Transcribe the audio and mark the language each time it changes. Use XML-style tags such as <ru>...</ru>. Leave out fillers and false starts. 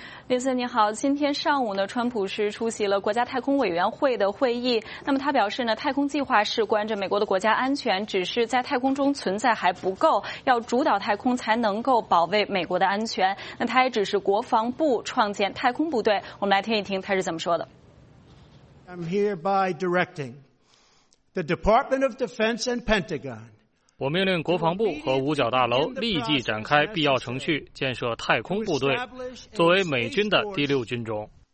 <zh>林森你好，今天上午呢，川普是出席了国家太空委员会的会议。那么他表示呢，太空计划事关着美国的国家安全，只是在太空中存在还不够，要主导太空才能够保卫美国的安全。那他也指示国防部创建太空部队。我们来听一听他是怎么说的。</zh> <en>I'm hereby directing the Department of Defense and Pentagon.</en> <zh>我命令国防部和五角大楼立即展开必要程序，建设太空部队，作为美军的第六军种。</zh>